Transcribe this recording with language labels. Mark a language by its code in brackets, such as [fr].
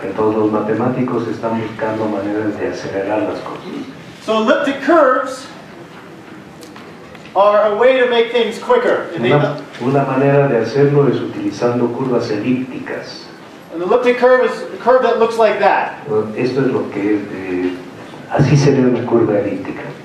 [es] Entonces los matemáticos están buscando maneras de acelerar las cosas. [en] So elliptic curves are a way to make things quicker. [es] Una manera de hacerlo es utilizando curvas elípticas. [en] An elliptic curve is a curve that looks like that. [es] Esto es lo que es de, así se ve una curva elíptica.